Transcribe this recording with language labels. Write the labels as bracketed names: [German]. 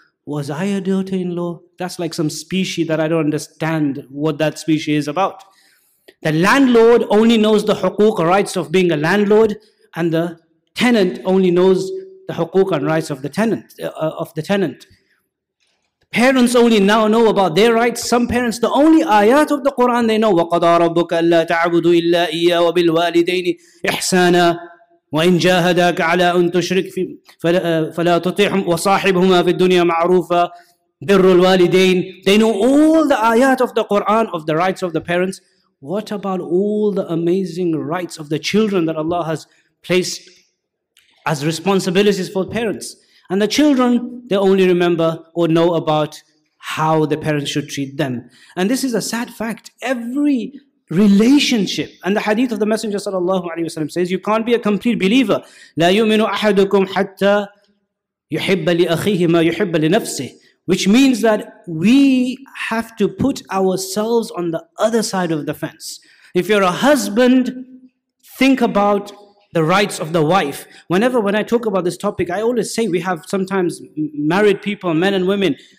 [English] Was I a daughter-in-law? That's like some species that I don't understand what that species is about. The landlord only knows the huquq and rights of being a landlord, and the tenant only knows the huquq and rights of the tenant. Parents only now know about their rights. Some parents, the only ayat of the Quran they know, [Arabic] وَقَضَى رَبُّكَ أَلَّا تَعْبُدُوا إِلَّا إِيَّا وَبِالْوَالِدَيْنِ إِحْسَانًا وَإِنْ جَاهَدَاكَ عَلَىٰ أَن تُشْرِكَ فَلَا تُطِعْهُمَا وَصَاحِبْهُمَا فِي الدُّنْيَا مَعْرُوفًا بِرُّ الْوَالِدَيْنِ. [English] They know all the ayat of the Quran of the rights of the parents. What about all the amazing rights of the children that Allah has placed as responsibilities for parents? And the children, they only remember or know about how the parents should treat them. And this is a sad fact. Every relationship, and the hadith of the Messenger sallallahu alaihi wasallam says, you can't be a complete believer. [Arabic] لا يؤمن أحدكم حتى يحب لأخيه ما يحب لنفسه. [English] Which means that we have to put ourselves on the other side of the fence. If you're a husband, think about the rights of the wife. When I talk about this topic, I always say we have sometimes married people, men and women.